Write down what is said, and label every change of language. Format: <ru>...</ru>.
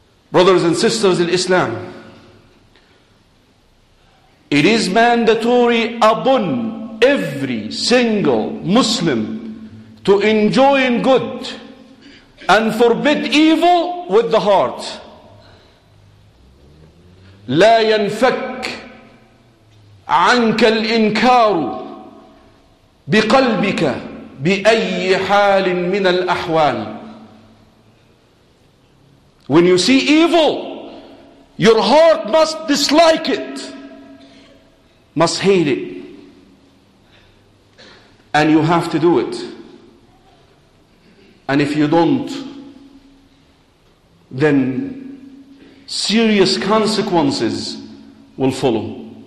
<en>Brothers and sisters in Islam, it is mandatory upon every single Muslim to enjoin good and forbid evil with the heart.</en> <ar>لا ينفك عنك الإنكار بقلبك بأي حال من الأحوال.</ar> <en>When you see evil, your heart must dislike it, must hate it, and you have to do it. And if you don't, then serious consequences will follow.</en>